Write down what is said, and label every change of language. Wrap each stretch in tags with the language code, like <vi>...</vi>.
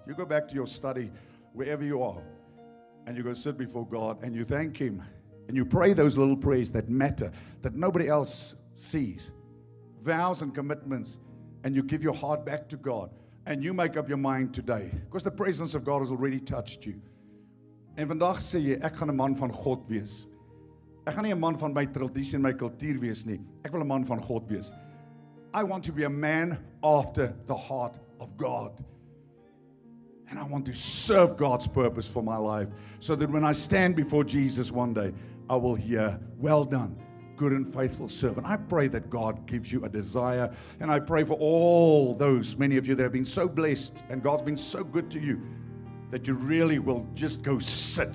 <en>You go back to your study, wherever you are, and you go sit before God, and you thank Him, and you pray those little prayers that matter, that nobody else sees. Vows and commitments, and you give your heart back to God, and you make up your mind today, because the presence of God has already touched you.</en> <af>En vandag sê jy, ek gaan 'n man van God wees. Ek gaan nie 'n man van my tradisie en my kultuur wees nie. Ek wil 'n man van God wees.</af> <en>I want to be a man after the heart of God. And I want to serve God's purpose for my life so that when I stand before Jesus one day, I will hear, well done, good and faithful servant. I pray that God gives you a desire, and I pray for all those, many of you that have been so blessed and God's been so good to you, that you really will just go sit.</en>